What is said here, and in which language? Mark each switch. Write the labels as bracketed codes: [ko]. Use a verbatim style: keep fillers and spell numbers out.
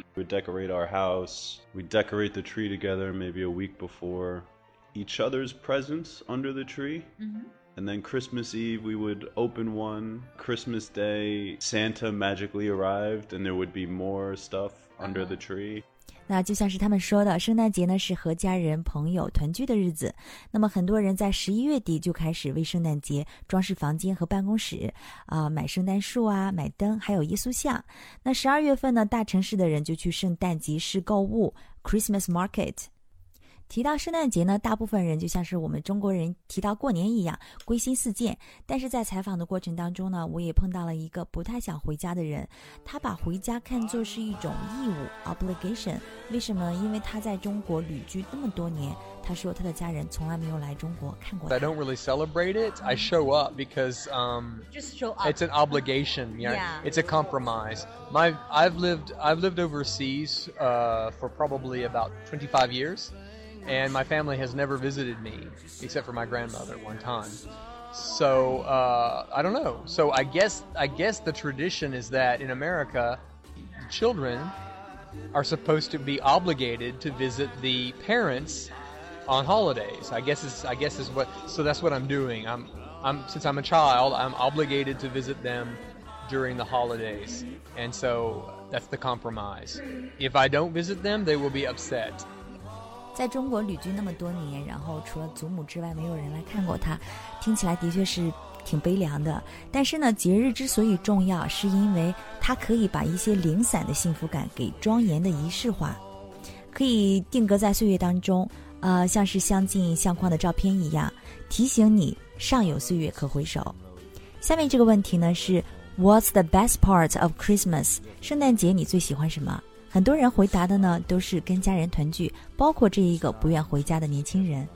[en] We decorate our house. We decorate the tree together maybe a week before. Each other's presents under the tree. Mm-hmm. And then Christmas Eve, we would open one. Christmas Day, Santa magically arrived, and there would be more stuff under the tree. [zh] 那就像是他们说的，圣诞节呢是和家人朋友团聚的日子。那么很多人在十一月底就开始为圣诞节装饰房间和办公室，啊、呃，买圣诞树啊，买灯，还有耶稣像。那十二月份呢，大城市的人就去圣诞集市购物 [en] （Christmas Market）。 [zh] 提到圣诞节呢，大部分人就像是我们中国人提到过年一样，归心似箭。但是在采访的过程当中呢，我也碰到了一个不太想回家的人，他把回家看作是一种义务 （obligation）。为什么？因为他在中国旅居那么多年，他说他的家人从来没有来中国看过他。 [en] I don't really celebrate it. I show up because um, just show up. It's an obligation. You know? Yeah, it's a compromise. My, I've lived, I've lived overseas uh, for probably about twenty-five years. And my family has never visited me, except for my grandmother one time. So, uh, I don't know. So I guess I guess the tradition is that in America, children are supposed to be obligated to visit the parents on holidays. I guess is I guess is what. So that's what I'm doing. I'm I'm since I'm a child, I'm obligated to visit them during the holidays. And so that's the compromise. If I don't visit them, they will be upset. [zh] 在中国旅居那么多年，然后除了祖母之外没有人来看过他，听起来的确是挺悲凉的。但是呢，节日之所以重要，是因为它可以把一些零散的幸福感给庄严的仪式化，可以定格在岁月当中，呃，像是镶进相框的照片一样，提醒你尚有岁月可回首。下面这个问题呢是 [en] What's the best part of Christmas？ [zh] 圣诞节你最喜欢什么？很多人回答的呢都是跟家人团聚，包括这一个不愿回家的年轻人。